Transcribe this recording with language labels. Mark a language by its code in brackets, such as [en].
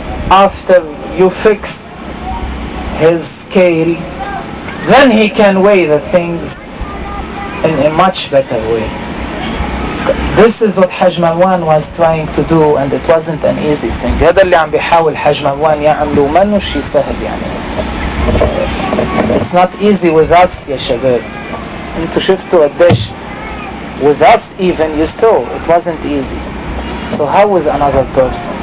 [en] after you fix his scale, then he can weigh the things in a much better way. This is what Hajj Marwan was trying to do, and it wasn't an easy thing. [ar] هذا اللي عم بيحاول حج مروان يعمله ما إنه شيء سهل يعني. [en] It's not easy with us, [ar] يا شباب. أنتوا شفتوا قديش [en] with us even you saw it wasn't easy. So how with another person?